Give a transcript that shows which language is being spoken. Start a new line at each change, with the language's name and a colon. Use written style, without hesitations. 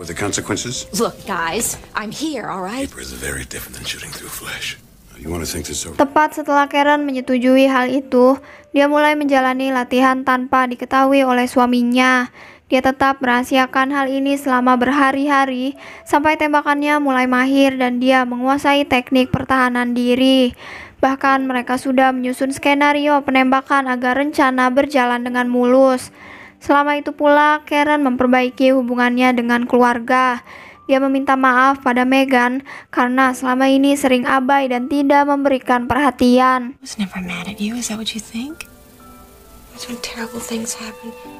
English: Look, guys, I'm here, all right? Paper is very different than shooting through flesh.
Indonesian: Tepat setelah Karen menyetujui hal itu, dia mulai menjalani latihan tanpa diketahui oleh suaminya. Dia tetap merahasiakan hal ini selama berhari-hari, sampai tembakannya mulai mahir dan dia menguasai teknik pertahanan diri. Bahkan mereka sudah menyusun skenario penembakan agar rencana berjalan dengan mulus. Selama itu pula, Karen memperbaiki hubungannya dengan keluarga. Dia meminta maaf pada Megan karena selama ini sering abai dan tidak memberikan perhatian.
English: I was never mad at you, is that what you think? That's when terrible things happen.